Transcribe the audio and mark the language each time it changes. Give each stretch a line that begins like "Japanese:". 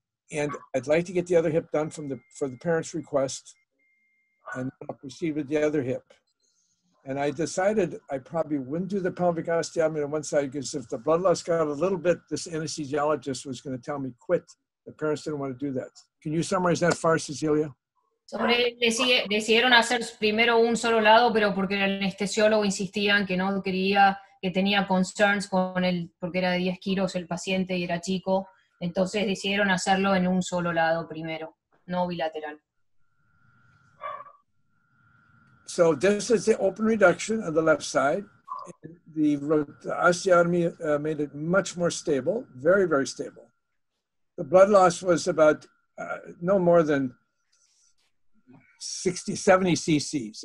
English: And I'd like to get the other hip done for the parents' request, and I'll proceed with the other hip. And I decided I probably wouldn't do the pelvic osteotomy on one side, because if the blood loss got a little bit, this anesthesiologist was gonna tell me quit. The parents didn't want to do that. Can you summarize that far, Cecilia?
Spanish: Sobre, decidieron hacer primero un solo lado, pero porque el anestesiólogo insistía en que no quería, que tenía concerns con él, porque era de 10 kilos el paciente y era chico, entonces decidieron hacerlo en un solo lado primero, no bilateral.
English: So this is the open reduction on the left side. The osteotomy made it much more stable, very, very stable. The blood loss was about no more than 60, 70 cc's.